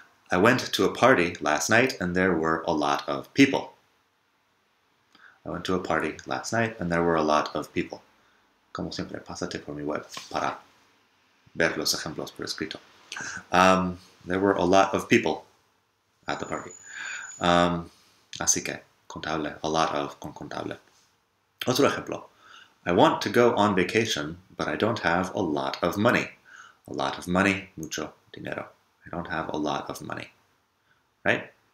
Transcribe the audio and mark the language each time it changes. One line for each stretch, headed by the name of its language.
English: I went to a party last night and there were a lot of people. I went to a party last night and there were a lot of people.
Spanish: Como siempre, pásate por mi web para ver los ejemplos por escrito.
English: There were a lot of people at the party.
Spanish: Así que, contable, a lot of, con contable. Otro ejemplo.
English: I want to go on vacation, but I don't have a lot of money. A lot of money,
Spanish: mucho dinero.
English: I don't have a lot of money. Right?